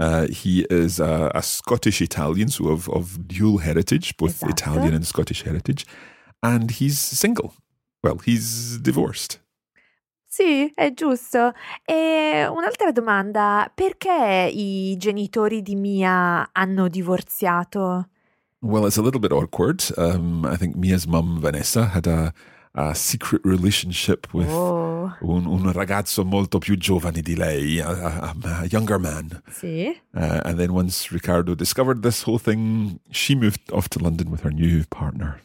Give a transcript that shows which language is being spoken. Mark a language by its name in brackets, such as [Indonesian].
[English] He is a Scottish Italian, so of dual heritage, both [Italian] esatto. [English] Italian and Scottish heritage, and he's single. Well, he's divorced. [Italian] Sì, è giusto. E un'altra domanda: perché i genitori di Mia hanno divorziato? [English] Well, it's a little bit awkward. I think Mia's mum, Vanessa, had a secret relationship with [Italian] un ragazzo molto più giovane di lei, [English] a younger man. [Italian] Sì. [English] And then once Riccardo discovered this whole thing, she moved off to London with her new partner.